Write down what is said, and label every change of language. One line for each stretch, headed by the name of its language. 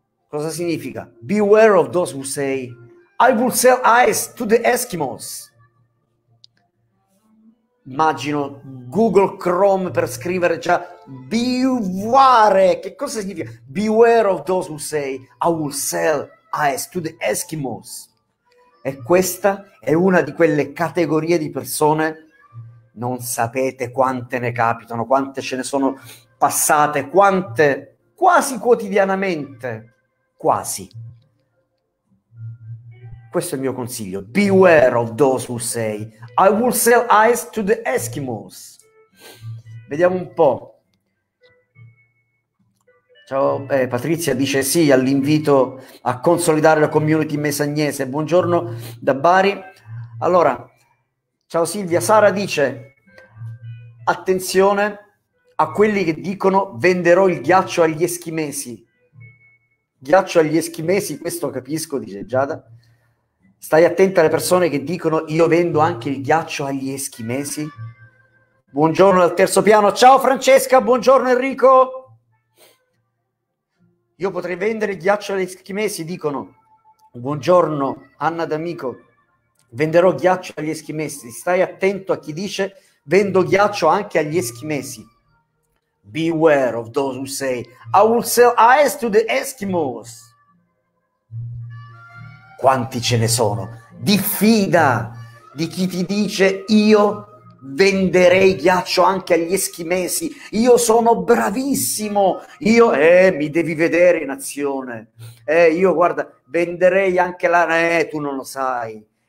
English: Cosa significa? Beware of those who say I will sell ice to the Eskimos.
Italian: Immagino Google Chrome per scrivere già beware. Che cosa significa?
English: Beware of those who say I will sell ice to the Eskimos.
Italian: E questa è una di quelle categorie di persone. Non sapete quante ne capitano, quante ce ne sono passate, quante quasi quotidianamente, quasi. Questo è il mio consiglio.
English: Beware of those who say I will sell ice to the Eskimos.
Italian: Vediamo un po'. Ciao, Patrizia dice sì all'invito a consolidare la community mesagnese. Buongiorno da Bari. Allora, ciao Silvia. Sara dice... Attenzione a quelli che dicono venderò il ghiaccio agli eschimesi. Ghiaccio agli eschimesi, questo capisco, dice Giada. Stai attenta alle persone che dicono io vendo anche il ghiaccio agli eschimesi. Buongiorno dal terzo piano. Ciao Francesca, buongiorno Enrico. Io potrei vendere il ghiaccio agli eschimesi, dicono. Buongiorno Anna D'Amico. Venderò ghiaccio agli eschimesi. Stai attento a chi dice... Vendo ghiaccio anche agli eschimesi.
English: Beware of those who say I will sell ice to the Eskimos.
Italian: Quanti ce ne sono? Diffida di chi ti dice io venderei ghiaccio anche agli eschimesi. Io sono bravissimo. Io mi devi vedere in azione. Io guarda, venderei anche la tu non lo sai.